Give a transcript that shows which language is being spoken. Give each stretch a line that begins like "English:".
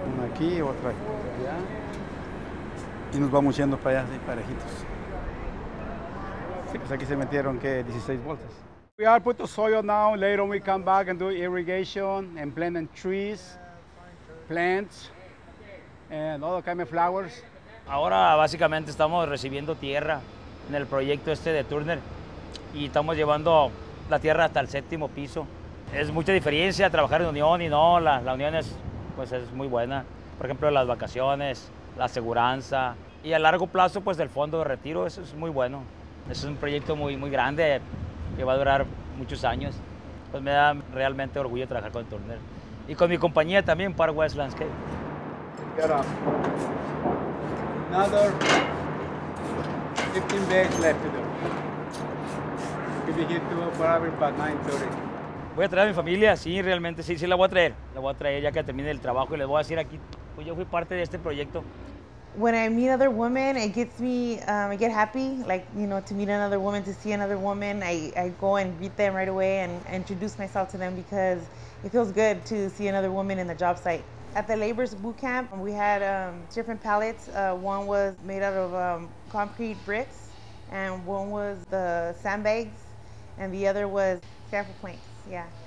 Spanish: Aquí y otra vez. Y nos vamos yendo para allá, así, parejitos. Sí, pues aquí se metieron, ¿qué? 16 voltas.
English: We are put the soil now, later on we come back and do irrigation and planting trees, plants, and all kinds of flowers.
Spanish: Ahora básicamente estamos recibiendo tierra en el proyecto este de Turner y estamos llevando la tierra hasta el séptimo piso. Es mucha diferencia trabajar en unión y no, la unión es muy buena. Por ejemplo, las vacaciones, la aseguranza y a largo plazo, pues del fondo de retiro, eso es muy bueno. Es un proyecto muy, muy grande que va a durar muchos años. pues me da realmente orgullo trabajar con Turner. Y con mi compañía también, Park West Landscape.
English: Get up. Another 15 bags left to do. Be here tomorrow by 9:30.
Spanish: Voy a traer a mi familia, sí, realmente, sí, sí la voy a traer. La voy a traer ya que termine el trabajo y les voy a decir aquí, pues yo fui parte de este proyecto.
English: When I meet other women, it gets me, I get happy, like, you know, to meet another woman, to see another woman. I go and greet them right away and introduce myself to them because it feels good to see another woman in the job site. At the labor's boot camp, we had different pallets. One was made out of concrete bricks, and one was the sandbags, and the other was scaffold planks, yeah.